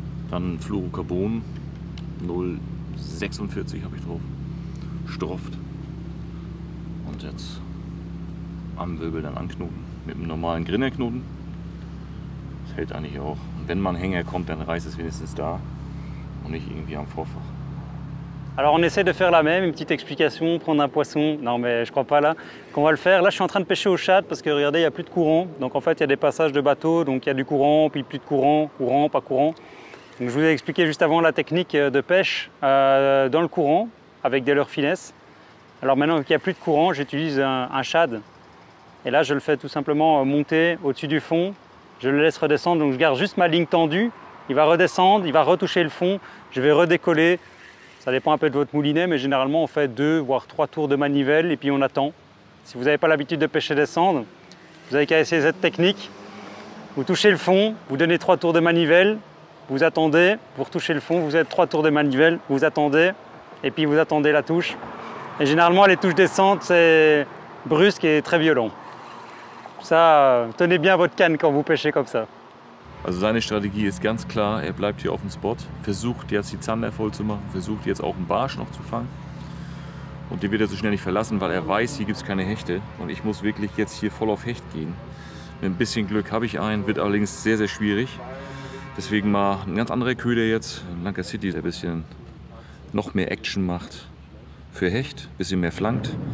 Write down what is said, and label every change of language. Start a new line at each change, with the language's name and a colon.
German: Dann Fluorocarbon 046 habe ich drauf. Stroft. Und jetzt am Wirbel dann anknoten. Mit einem normalen Grinnerknoten. Das hält eigentlich auch. Und wenn man Hänger kommt, dann reißt es wenigstens da. On est irgendwie en vorfach.
French: Alors on essaie de faire la même, une petite explication, prendre un poisson. Non mais je crois pas là qu'on va le faire. Là je suis en train de pêcher au chat parce que regardez, il n'y a plus de courant. Donc en fait il y a des passages de bateaux, donc il y a du courant, puis plus de courant, courant, pas courant. Donc je vous ai expliqué juste avant la technique de pêche dans le courant avec des leurres finesse. Alors maintenant qu'il n'y a plus de courant, j'utilise un shad. Et là je le fais tout simplement monter au-dessus du fond. Je le laisse redescendre, donc je garde juste ma ligne tendue. Il va redescendre, il va retoucher le fond, je vais redécoller. Ça dépend un peu de votre moulinet, mais généralement on fait deux voire trois tours de manivelle et puis on attend. Si vous n'avez pas l'habitude de pêcher des cendres, vous n'avez qu'à essayer cette technique. Vous touchez le fond, vous donnez trois tours de manivelle, vous attendez, vous retouchez le fond, vous faites trois tours de manivelle, vous attendez et puis vous attendez la touche. Et généralement les touches descendent, c'est brusque et très violent. Ça, tenez bien votre canne quand vous pêchez comme ça.
German: Also seine Strategie ist ganz klar, er bleibt hier auf dem Spot, versucht jetzt die Zander voll zu machen, versucht jetzt auch einen Barsch noch zu fangen. Und den wird er so schnell nicht verlassen, weil er weiß, hier gibt es keine Hechte. Und ich muss wirklich jetzt hier voll auf Hecht gehen. Mit ein bisschen Glück habe ich einen, wird allerdings sehr, sehr schwierig. Deswegen mal ein ganz anderer Köder jetzt, Lanka City, der ein bisschen noch mehr Action macht für Hecht, ein bisschen mehr flankt.